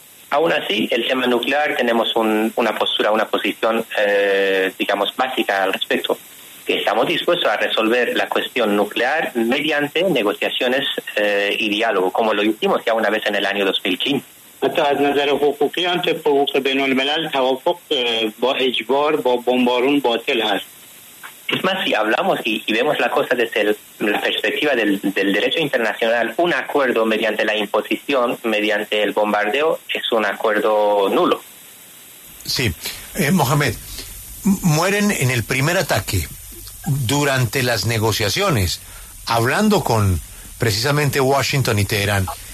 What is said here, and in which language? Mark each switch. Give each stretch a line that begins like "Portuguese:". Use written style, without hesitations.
Spanish: Aún así, el tema nuclear tenemos una posición, digamos, básica al respecto. Estamos dispuestos a resolver la cuestión nuclear mediante negociaciones y diálogo, como lo hicimos ya una vez en el año 2015.
Persian: حتی از نظر حقوقی هم طبق حقوق بین الملل توافق با اجبار با بمبارون باطل هست.
Spanish: Es más, si hablamos y vemos la cosa desde la perspectiva del derecho internacional, un acuerdo mediante la imposición, mediante el bombardeo, es un acuerdo nulo. Sí. Mohamed, mueren en el primer ataque, durante las negociaciones, hablando con precisamente Washington y Teherán.